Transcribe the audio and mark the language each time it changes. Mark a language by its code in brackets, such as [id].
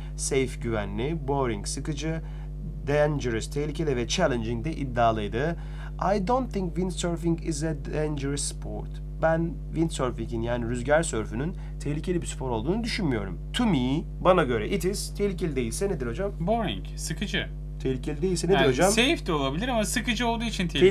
[tr] Safe güvenli, boring sıkıcı, dangerous tehlikeli ve challenging de iddialıydı. [en] I don't think windsurfing is a dangerous sport. [tr] Ben windsurfing'in yani rüzgar sörfünün tehlikeli bir spor olduğunu düşünmüyorum. [en] To me, [tr] bana göre [en] it is. [tr] Tehlikeli değilse nedir hocam? Boring, sıkıcı. Tehlikeli değilse nedir hocam? Safe de olabilir ama sıkıcı olduğu için tehlikeli.